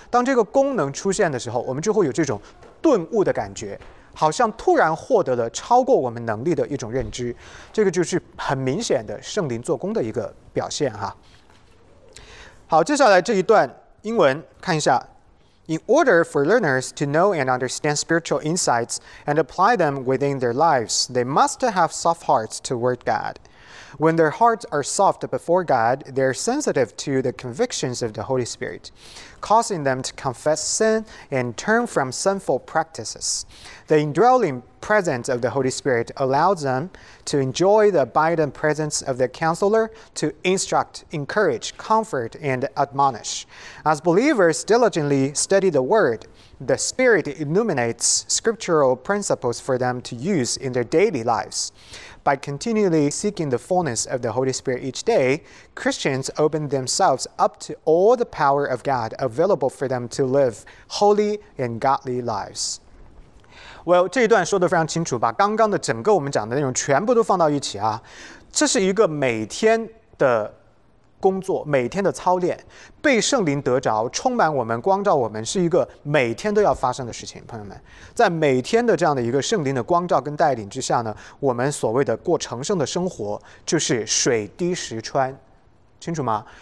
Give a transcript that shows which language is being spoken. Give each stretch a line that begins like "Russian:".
Chinese: 当这个功能出现的时候，我们就会有这种顿悟的感觉，好像突然获得了超过我们能力的一种认知，这个就是很明显的圣灵做工的一个表现哈。好，接下来这一段英文看一下。
English: In order for learners to know and understand spiritual insights and apply them within their lives, they must have soft hearts toward God. When their hearts are soft before God, they are sensitive to the convictions of the Holy Spirit, causing them to confess sin and turn from sinful practices. The indwelling presence of the Holy Spirit allows them to enjoy the abiding presence of the Counselor to instruct, encourage, comfort, and admonish. As believers diligently study the Word, the Spirit illuminates scriptural principles for them to use in their daily lives. By continually seeking the fullness of the Holy Spirit each day, Christians open themselves up to all the power of God available for them to live holy and godly lives.
Chinese: Well, 这一段说得非常清楚，把刚刚的整个我们讲的内容全部都放到一起啊。这是一个每天的工作，每天的操练，被圣灵得着，充满我们，光照我们，是一个每天都要发生的事情。朋友们，在每天的这样的一个圣灵的光照跟带领之下呢，我们所谓的过成圣的生活就是水滴石穿，清楚吗？